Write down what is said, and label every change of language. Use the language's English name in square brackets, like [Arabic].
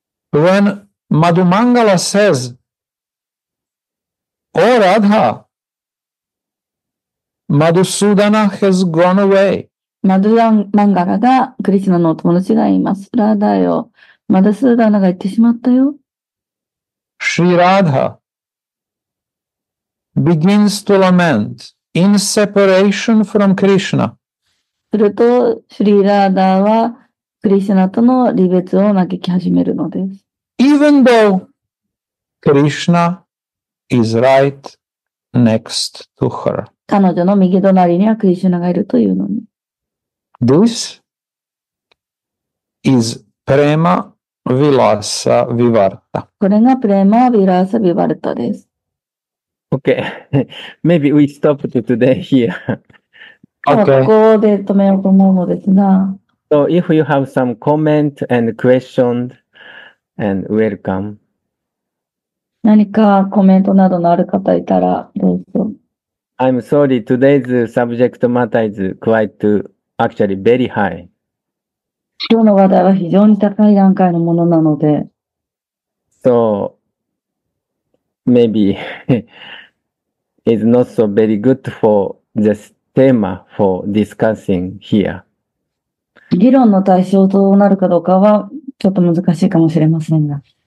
[English] When Madhumangala says, O Radha, Madhusudana has gone away. [Japanese] マドラン・マンガラがクリシナのお友達が言います。ラーダよ、マダスーダナが言ってしまったよ。 [English] シーラーダ begins to lament in separation from Krishna. [Japanese] すると、シリーラーダはクリシナとの離別を嘆き始めるのです。 [English] Even though Krishna is right next to her. [Japanese] 彼女の右隣にはクリシナがいるというのに。 [English] This is prema vilasa vivarta. [Japanese] これがプレマヴィラサヴィヴァルタです。 [English] Okay, maybe we stop today here. Okay. [Japanese] ここで止めようと思うのですが。 [English] So if you have some comment and questions, and welcome. [Japanese] 何かコメントなどのある方いたらどうぞ。 [English] I'm sorry, today's subject matter is quite actually very high. [Japanese] 今日の話題は非常に高い段階のものなので。 [English] So, maybe it's not so very good for this theme for discussing here. [Japanese] 議論の対象となるかどうかはちょっと難しいかもしれませんが。